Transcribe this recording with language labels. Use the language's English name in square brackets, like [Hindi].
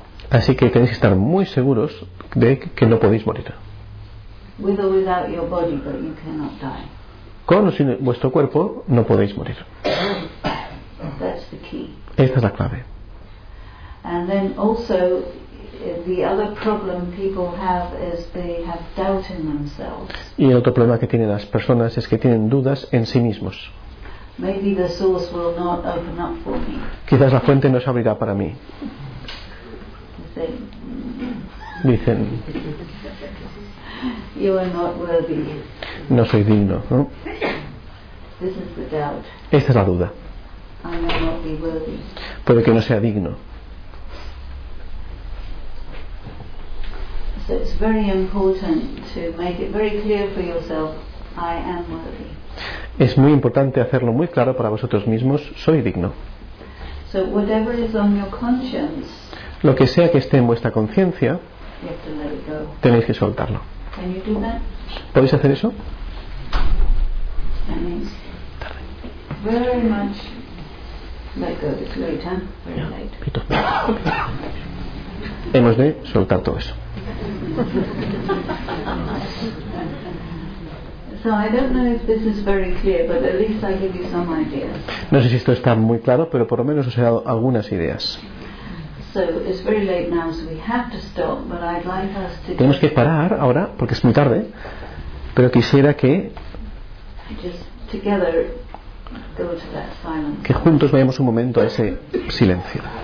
[Spanish] Así que tenéis que estar muy seguros de que no podéis morir. [English] With or without your body, but you cannot die. [Spanish] Con o sin vuestro cuerpo, no podéis morir. [English] That's the key. [Spanish] Esta es la clave. [English] And then also, the other problem people have is they have doubt in themselves. [Spanish] Y el otro problema que tienen las personas es que tienen dudas en sí mismos. [English] Maybe the source will not open up for me. [Spanish] Quizás la fuente no se abrirá para mí. Dicen. [English] You are not worthy. [Spanish] No soy digno, ¿no? [English] This is the doubt. [Spanish] Esta es la duda. [English] I may not be worthy. [Spanish] Puede que no sea digno. [English] So it's very important to make it very clear for yourself, I am worthy. [Spanish] Es muy importante hacerlo muy claro para vosotros mismos, soy digno. [English] So whatever is on your conscience, [Spanish] lo que sea que esté en vuestra conciencia, [English] you have to let it go. [Spanish] Tenéis que soltarlo. [English] Can you do that? [Spanish] ¿Podéis hacer eso? [English] That means very much let go. It's late, huh? Very late. Pito. [Spanish] Hemos de soltar todo eso. [English] So I don't know if this is very clear, but at least I give you some ideas. [Spanish] No sé si esto está muy claro, pero por lo menos os he dado algunas ideas. [English] So it's very late now, so we have to stop, but I'd like us to [Spanish] tenemos que parar ahora porque es muy tarde, pero quisiera que [English] just together go to that silence. [Spanish] Que juntos vayamos un momento a ese silencio.